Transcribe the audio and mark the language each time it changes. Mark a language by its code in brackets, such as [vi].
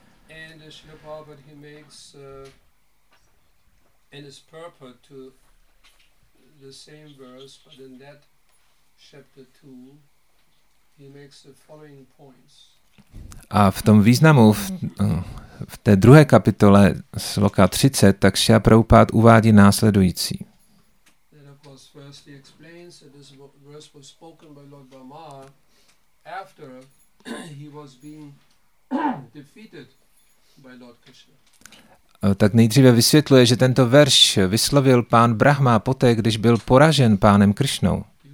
[en] And Srila Prabhupada, he makes in his purport to the same verse, but in that chapter 2, he makes the following points. [cs] A v tom významu, v té druhé kapitole, sloka 30, tak Srila Prabhupada uvádí následující. [en] That of course firstly explains that this verse was spoken by Lord Brahma after he was being defeated by Lord Krishna. [cs] Tak nejdříve vysvětluje, že tento verš vyslovil pán Brahma poté, když byl poražen pánem Krishnou.